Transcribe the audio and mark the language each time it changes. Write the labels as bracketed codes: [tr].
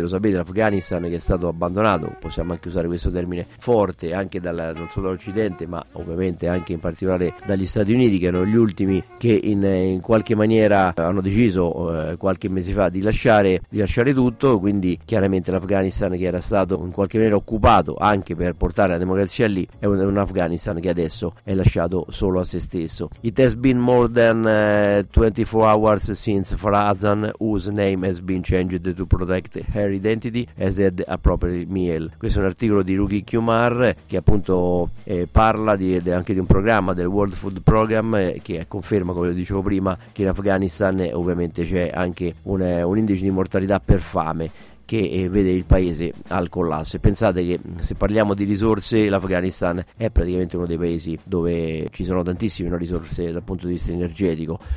[it] Lo sapete, l'Afghanistan che è stato abbandonato, possiamo anche usare questo termine forte, anche non solo dall'Occidente ma ovviamente anche in particolare dagli Stati Uniti, che erano gli ultimi che in qualche maniera hanno deciso qualche mese fa di lasciare tutto. Quindi chiaramente l'Afghanistan che era stato in qualche maniera occupato anche per portare la democrazia lì è un Afghanistan che adesso è lasciato solo a se stesso. [en] It has been more than 24 hours since Farazan, whose name has been changed to protect her identity, has had a proper meal. [it] Questo è un articolo di Ruki Kumar che appunto parla anche di un programma del World Food Program che conferma, come dicevo prima, che in Afghanistan ovviamente c'è anche un indice di mortalità per fame che vede il paese al collasso. E pensate che se parliamo di risorse, l'Afghanistan è praticamente uno dei paesi dove ci sono tantissime risorse dal punto di vista energetico,